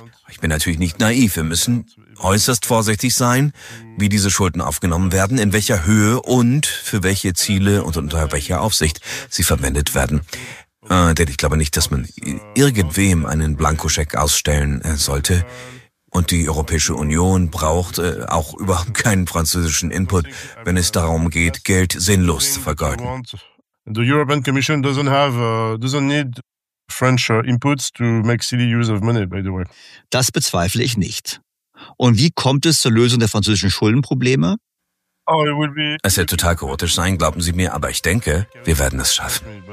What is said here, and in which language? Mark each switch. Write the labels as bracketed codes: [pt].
[de] Ich bin natürlich nicht naiv, wir müssen äußerst vorsichtig sein, wie diese Schulden aufgenommen werden, in welcher Höhe und für welche Ziele und unter welcher Aufsicht sie verwendet werden. Denn ich glaube nicht, dass man irgendwem einen Blankoscheck ausstellen sollte. Und die Europäische Union braucht auch überhaupt keinen französischen Input, wenn es darum geht, Geld sinnlos zu vergeuden. [en] The European Commission doesn't need French inputs to make silly use of money, by the way. [de] Das bezweifle ich nicht. Und wie kommt es zur Lösung der französischen Schuldenprobleme? Es wird total chaotisch sein, glauben Sie mir, aber ich denke, wir werden es schaffen.